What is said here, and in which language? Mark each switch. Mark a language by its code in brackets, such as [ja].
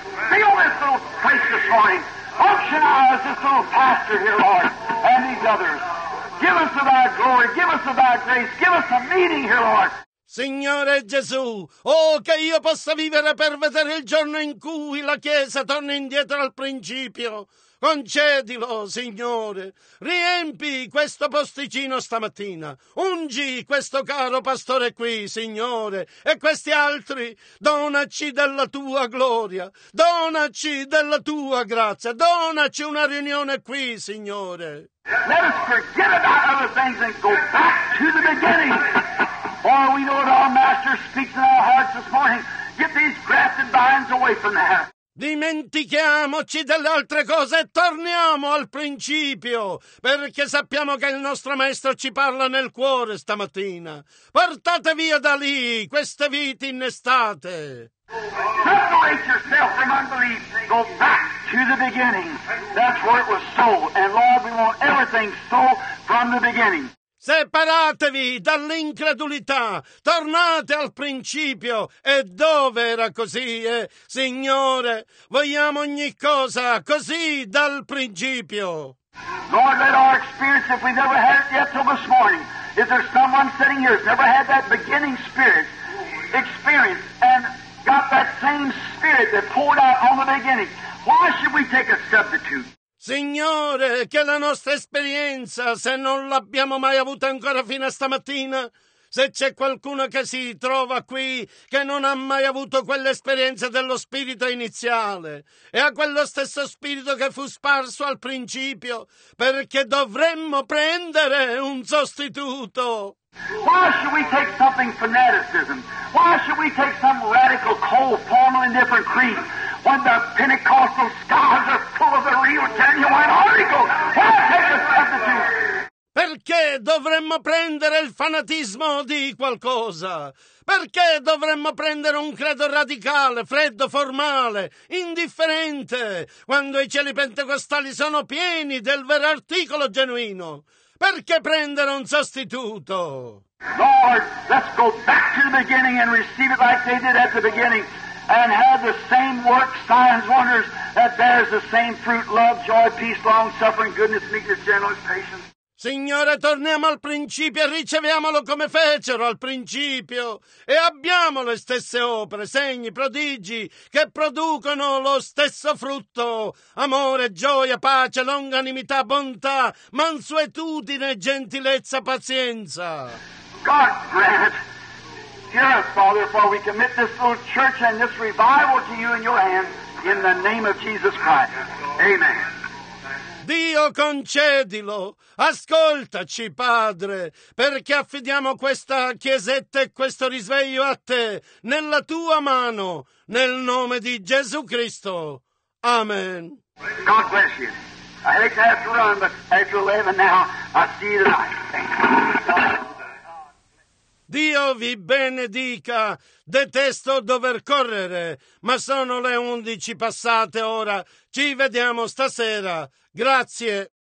[en] Feel this little place this morning. Functionize this little pastor here, Lord, and these others. Give us of thy glory, give us of thy grace, give us a meaning here, Lord. [it] Signore Gesù, oh, che io possa vivere per vedere il giorno in cui la Chiesa torna indietro al principio. Concedilo, Signore. Riempi questo posticino stamattina. Ungi questo caro pastore qui, Signore, e questi altri. Donaci della tua gloria. Donaci della tua grazia. Donaci una riunione qui, Signore. [en] Let us forget about other things and go back to the beginning. Oh, we know that our master speaks in our hearts this morning. Get these grafted vines away from there. [it] Dimentichiamoci delle altre cose e torniamo al principio, perché sappiamo che il nostro Maestro ci parla nel cuore stamattina. Portate via da lì queste viti innestate. [en] Separate yourself from unbelief. Go back to the beginning. That's where it was sold. And Lord, we want everything sold from the beginning. [it] Separatevi dall'incredulità, tornate al principio. E dove era così, Signore? Vogliamo ogni cosa così dal principio. [en] Lord, let our experience, if we've never had it yet till this morning, if there's someone sitting here who's never had that beginning spirit experience and got that same spirit that poured out on the beginning, why should we take a substitute? [it] Signore, che la nostra esperienza, se non l'abbiamo mai avuta ancora fino a stamattina, se c'è qualcuno che si trova qui che non ha mai avuto quell'esperienza dello spirito iniziale e ha quello stesso spirito che fu sparso al principio, perché dovremmo prendere un sostituto. [en] Why should we take something fanaticism? Why should we take some radical, cold, formal, indifferent creed? When the Pentecostal skies are full of the real, genuine article, why take a substitute? [it] Perché dovremmo prendere il fanatismo di qualcosa? Perché dovremmo prendere un credo radicale, freddo, formale, indifferente, quando i cieli pentecostali sono pieni del vero articolo genuino? Perché prendere un sostituto? [en] Lord, let's go back to the beginning and receive it like they did at the beginning and have the same works, signs, wonders that bears the same fruit, love, joy, peace, long-suffering, goodness, meekness, gentleness, patience. [it] Signore, torniamo al principio e riceviamolo come fecero al principio e abbiamo le stesse opere, segni, prodigi che producono lo stesso frutto: amore, gioia, pace, longanimità, bontà, mansuetudine, gentilezza, pazienza. [en] God grant, hear us, Father, for we commit this little church and this revival to you in your hands in the name of Jesus Christ. Amen. [it] Dio, concedilo. Ascoltaci, Padre, perché affidiamo questa chiesetta e questo risveglio a te, nella tua mano, nel nome di Gesù Cristo. Amen. [en] God bless you. I hate to have to run, but after 11 now, I'll see you tonight. [it] Dio vi benedica. Detesto dover correre, ma sono le 11 passate ora. Ci vediamo stasera. Grazie.